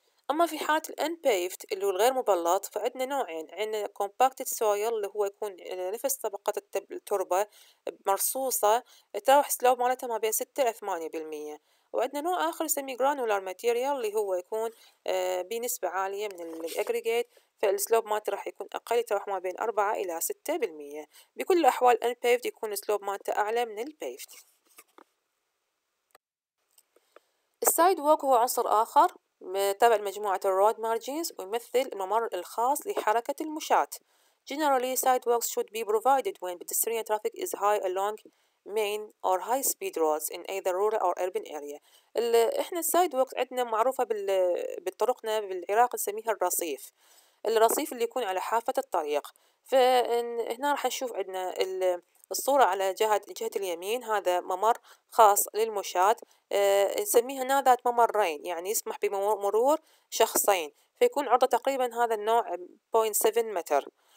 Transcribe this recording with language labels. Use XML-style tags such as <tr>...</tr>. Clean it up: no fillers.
<ar>أما في حالة unpaved اللي هو الغير مبلط فعندنا نوعين، عندنا compacted soil اللي هو يكون نفس طبقة التربة مرصوصة تروح سلوب مالتها ما بين 6 إلى 8%، وعندنا نوع آخر يسميه granular material اللي هو يكون بنسبة عالية من الأجريجيت، فالسلوب مالته راح يكون أقل يتراوح ما بين 4 إلى 6%. بكل الأحوال unpaved يكون السلوب مالته أعلى من الpaved. السايدووك هو عنصر آخر تابع لمجموعة الرود مارجينز ويمثل الممر الخاص لحركة المشاة.</ar> <en>Generally, sidewalks should be provided when pedestrian traffic is high along main or high speed roads in either rural or urban area.</en> <ar>احنا السايدوكس عندنا معروفة بالطرقنا بالعراق نسميها الرصيف، الرصيف اللي يكون على حافة الطريق. فهنا راح نشوف عندنا الصورة على جهة اليمين، هذا ممر خاص للمشاة، نسميه هنا ذات ممرين، يعني يسمح بمرور شخصين، فيكون عرضه تقريبا هذا النوع 0.7 متر.</ar>